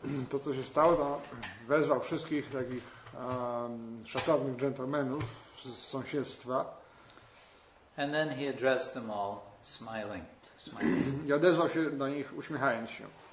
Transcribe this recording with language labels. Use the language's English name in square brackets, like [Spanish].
[Polish] To, co się stało, to wezwał wszystkich takich szacownych dżentelmenów z sąsiedztwa. [English] And then he addressed them all smiling. [Polish] I odezwał się do nich uśmiechając się.